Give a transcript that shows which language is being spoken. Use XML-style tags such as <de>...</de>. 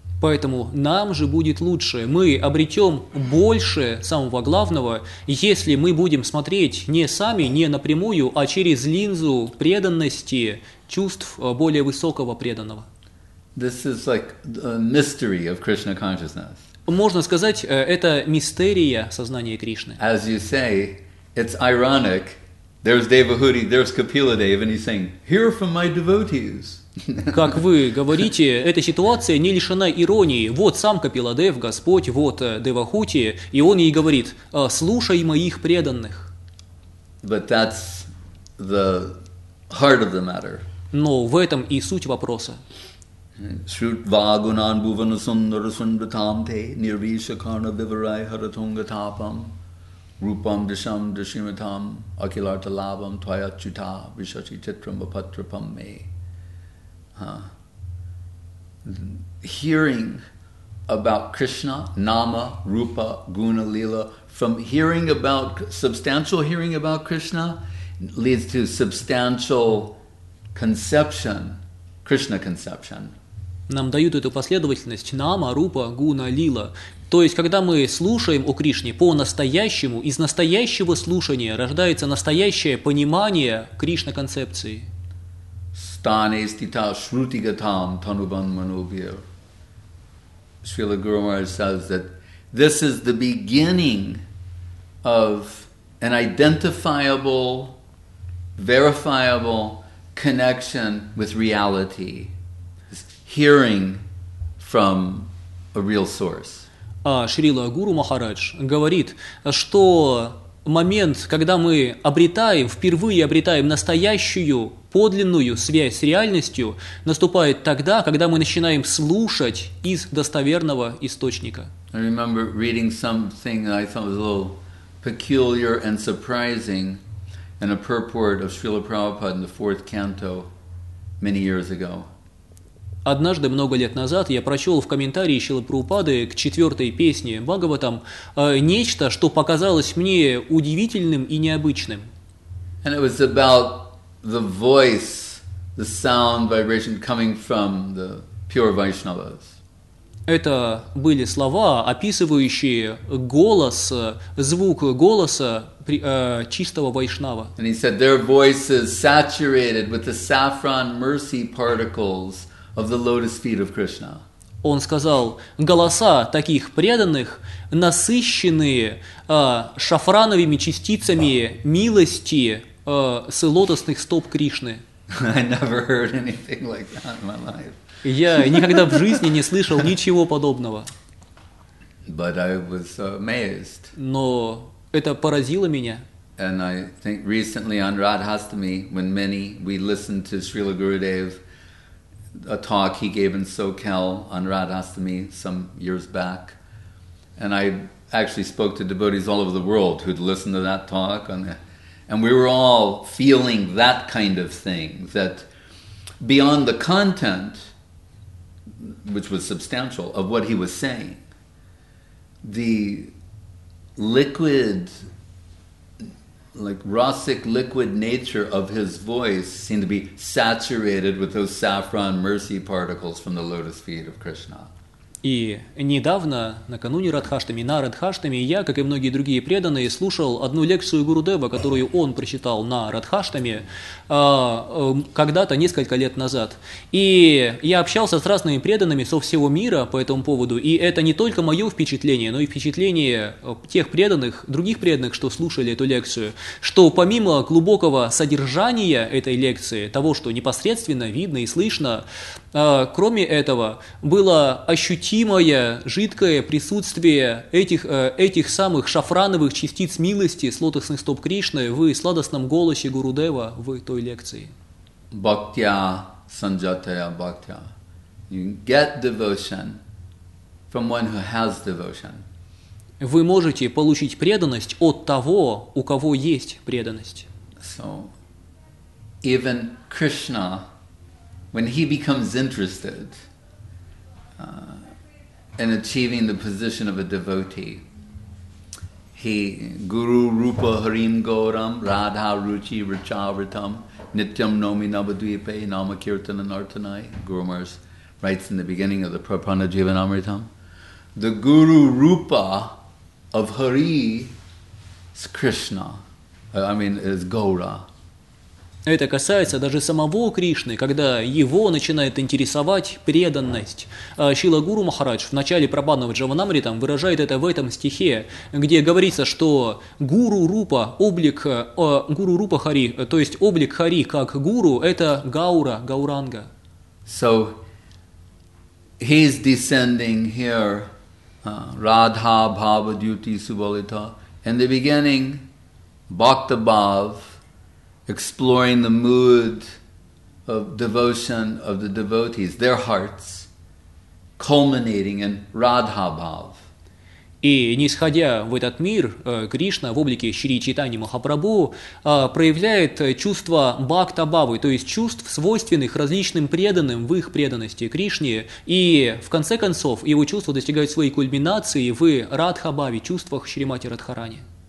<ru>Поэтому нам же будет лучше. Мы обретем больше самого главного, если мы будем смотреть не сами, не напрямую, а через линзу преданности, чувств более высокого преданного.</ru> <en>This is like the mystery of Krishna consciousness.</en> <ru>Можно сказать, это мистерия сознания Кришны.</ru> <en>As you say, it's ironic. There's Devahuti, there's Kapila Dev, and he's saying, "Hear from my devotees."</en> <ru>Как вы говорите, эта ситуация не лишена иронии. Вот сам Капила Дев, Господь, вот Девахути, и он ей говорит: "Слушай моих преданных."</ru> <en>But that's the heart of the matter.</en> <ru>Но в этом и суть вопроса.</ru> <sa>Shrutva gunan bhuvana sundara sundratam te nirvishakarna vivarai haratunga tapam rupam disham dishimatam akilarta labam twayachuta vishashi chitram apatrapam me.</sa> <en>Hearing about Krishna, nama, rupa, guna, lila, from hearing about, substantial hearing about Krishna leads to substantial conception, Krishna conception.</en> <ru>Нам дают эту последовательность нама, рупа, гуна, лила. То есть, когда мы слушаем о Кришне по-настоящему, из настоящего слушания рождается настоящее понимание Кришна-концепции.</ru> <sa>Стане стита шрутигатам танубан манубья.</sa> <en>Шрила Гуру Махарадж says that this is the beginning of an identifiable, verifiable connection with reality. Hearing from a real source.</en> <ru>Шрила Гуру Махарадж говорит, что момент, когда мы обретаем, впервые обретаем настоящую, подлинную связь с реальностью, наступает тогда, когда мы начинаем слушать из достоверного источника.</ru> <en>I remember reading something that I thought was a little peculiar and surprising in a purport of Srila Prabhupada in the fourth canto many years ago.</en> <ru>Однажды, много лет назад, я прочел в комментарии Шрилы Прабхупады к четвертой песне Бхагаватам нечто, что показалось мне удивительным и необычным.</ru> <en>And it was about the voice, the sound, vibration coming from the pure Vaishnavas.</en> <ru>Это были слова, описывающие голос, звук голоса чистого Вайшнава.</ru> <en>And he said their voices saturated with the saffron mercy particles of the lotus feet of Krishna.</en> <ru>Он сказал, голоса таких преданных насыщенные шафрановыми частицами милости с лотосных стоп Кришны.</ru> <en>I never heard anything like that in my life.</en> <ru>Я никогда в жизни не слышал ничего подобного.</ru> <en>But I was amazed.</en> <ru>Но это поразило меня.</ru> <en>And I think recently on Radhastami, when many we listened to Srila Gurudev, a talk he gave in SoCal on Radhastami some years back. And I actually spoke to devotees all over the world who'd listened to that talk. And we were all feeling that kind of thing, that beyond the content, which was substantial, of what he was saying, the liquid, like rasic liquid nature of his voice seemed to be saturated with those saffron mercy particles from the lotus feet of Krishna.</en> <ru>И недавно, накануне Радхаштами, на Радхаштами, я, как и многие другие преданные, слушал одну лекцию Гурудева, которую он прочитал на Радхаштами когда-то, несколько лет назад. И я общался с разными преданными со всего мира по этому поводу, и это не только мое впечатление, но и впечатление тех преданных, других преданных, что слушали эту лекцию, что помимо глубокого содержания этой лекции, того, что непосредственно видно и слышно, кроме этого, было ощутимое, жидкое присутствие этих самых шафрановых частиц милости с лотосных стоп Кришны в сладостном голосе Гурудева в той лекции.</ru> <sa>Бхактия санджатая бхактия.</sa> <en>You get devotion from one who has devotion.</en> <ru>Вы можете получить преданность от того, у кого есть преданность.</ru> <en>So, even Krishna, when he becomes interested in achieving the position of a devotee, he</en> <sa>guru rupa harim gauram radha ruchi rachavritam nityam nomi navadvipe namakirtana nartanai.</sa> <en>Guru Maharaj writes in the beginning of the Prapanna Jivanamritam, the guru rupa of Hari is Krishna, is Gaura.</en> <ru>Это касается даже самого Кришны, когда его начинает интересовать преданность. Шрила Гуру Махарадж в начале Прабанного Джаванамритам выражает это в этом стихе, где говорится, что Гуру Рупа, облик Гуру Рупа Хари, то есть облик Хари как Гуру, это Гаура, Гауранга.</ru> <en>So he's descending here,</en> <sa>Radha Bhava Dyuti Subalita.</sa> <en>In the beginning, Bhakta Bhav, exploring the mood of devotion of the devotees, their hearts, culminating in Radha Bhav.</en> <ru>И нисходя в этот мир, Кришна в облике Шри Чайтаньи Махапрабху проявляет чувство бхакта-бхавы, то есть чувств, свойственных различным преданным в их преданности Кришне, и в конце концов его чувства достигают своей кульминации в Радха-бхаве, чувствах Шримати Радхарани.</ru>